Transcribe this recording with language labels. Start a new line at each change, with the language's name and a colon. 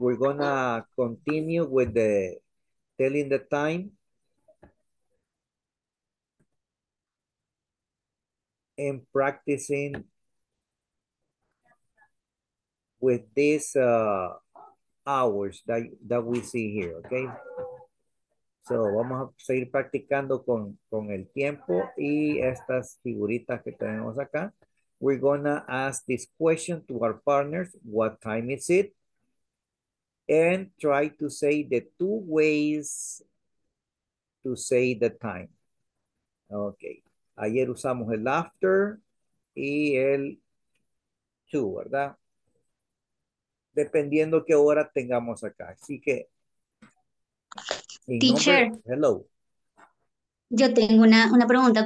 English: We're gonna continue with the telling the time. And practicing with these hours that we see here, okay?
Spanish: So vamos a seguir practicando con el tiempo y estas figuritas que tenemos acá.
English: We're gonna ask this question to our partners, what time is it? And try to say the two ways to say the time. Okay.
Spanish: Ayer usamos el after y el to, ¿verdad? Dependiendo qué hora tengamos acá. Así que, mi nombre,
English: Teacher, hello.
Spanish: yo tengo una pregunta.